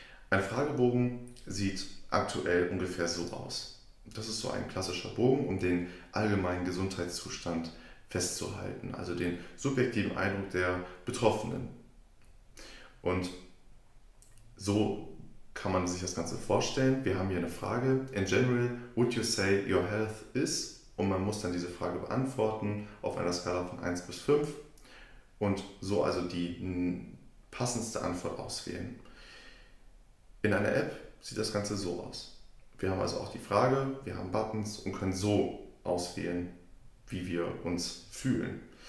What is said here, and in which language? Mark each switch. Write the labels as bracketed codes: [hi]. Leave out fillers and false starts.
[de] Ein Fragebogen sieht aktuell ungefähr so aus. Das ist so ein klassischer Bogen, um den allgemeinen Gesundheitszustand festzuhalten, also den subjektiven Eindruck der Betroffenen. Und so kann man sich das Ganze vorstellen. Wir haben hier eine Frage. [en] In general, would you say your health is? [de] Und man muss dann diese Frage beantworten auf einer Skala von 1 bis 5 und so also die passendste Antwort auswählen. In einer App sieht das Ganze so aus. Wir haben also auch die Frage, wir haben Buttons und können so auswählen, wie wir uns fühlen.